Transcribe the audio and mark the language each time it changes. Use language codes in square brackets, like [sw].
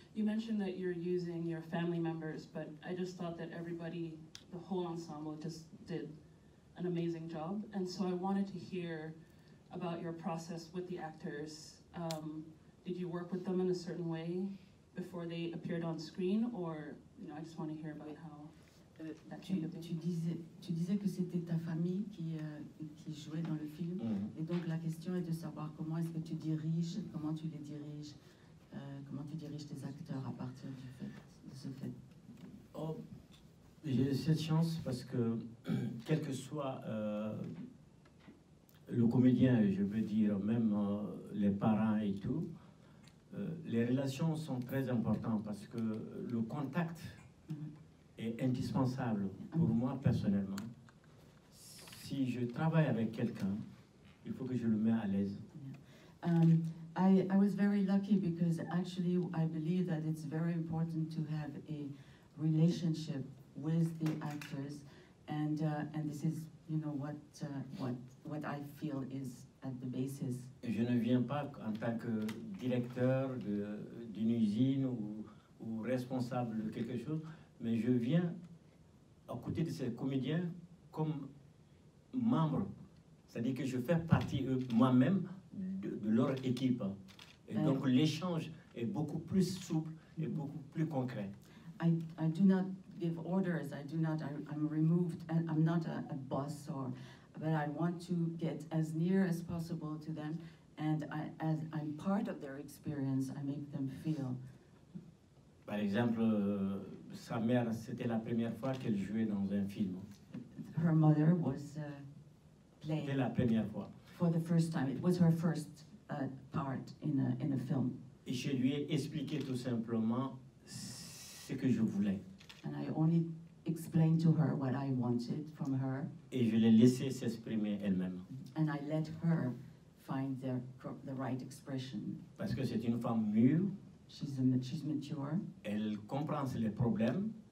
[en] You mentioned that you're using your family members, but I just thought that everybody, the whole ensemble, just did an amazing job, and so I wanted to hear about your process with the actors. Did you work with them in a certain way before they appeared on screen, or you know, I just want to hear about how that changed. [fr] Tu disais que c'était ta famille qui jouait dans le film, mm-hmm. Et donc la question est de savoir comment est-ce que tu diriges, comment tu les diriges, comment tu diriges tes acteurs à partir du fait de ce fait. Oh. J'ai cette chance parce que, quel que soit le comédien, je veux dire, même les parents et tout, les relations sont très importantes parce que le contact est indispensable pour moi personnellement. Si je travaille avec quelqu'un, il faut que je le mette à l'aise. [en] I was very lucky because actually I believe that it's very important to have a relationship with the actors, and this is, you know, what I feel is at the basis. [fr] Je ne viens pas en tant que directeur d'une usine ou responsable de quelque chose, mais je viens à côté de ces comédiens comme membre, c'est-à-dire que je fais partie eux, moi-même de leur équipe, et donc l'échange est beaucoup plus souple et beaucoup plus concret. [en] I do not give orders. I do not. I'm removed. I'm not a boss, but I want to get as near as possible to them, and as I'm part of their experience, I make them feel. [fr] Par exemple, sa mère, c'était la première fois qu'elle jouait dans un film. [en] Her mother was playing. [fr] C'était la première fois. [en] For the first time, it was her first part in a film. [fr] Et je lui ai expliqué tout simplement ce que je voulais. [en] And I only explained to her what I wanted from her. [fr] Et je l'ai laissé s'exprimer elle-même. [en] And I let her find the right expression. [fr] Parce que c'est une femme mûre. [en] She's mature. [fr] Elle comprend les problèmes.